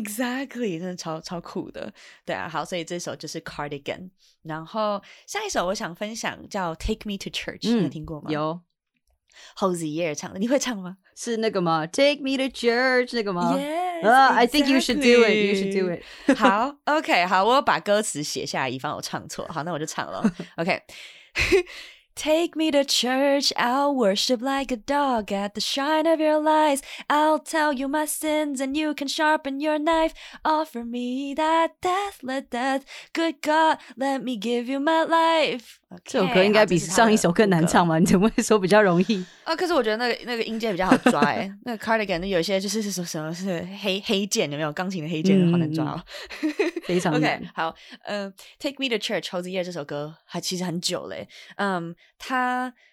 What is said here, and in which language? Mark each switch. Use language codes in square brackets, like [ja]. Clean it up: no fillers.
[zh] Exactly， 真的超酷的。对啊，好，所以这首就是 Cardigan， 然后下一首我想分享叫 Take Me to Church，、你有听过吗？有，Hozier 唱的，你会唱吗？是那个吗 ？Take me to church 那个吗 [en] ？Yes，exactly. I think you should do it. You should do it. [zh] 好 ，OK， 好，我把歌词写下来，以防我唱错。好，那我就唱了。OK， Take me to church. [en] I'll worship like a dog at the shine of your lights. I'll tell you my sins, and you can sharpen your knife. Offer me that death, let death. Good God, let me give you my life. Okay, [zh] 这首歌应该比上一首更难唱吧？你怎么会说比较容易？啊，可是我觉得那个音阶比较好抓哎、欸。那个 Cardigan 有些就是什么是黑键，有没有钢琴的黑键、嗯、好难抓、哦，非常难。 OK， 好，Take Me to Church， Hozier 这首歌还其实很久嘞、欸，它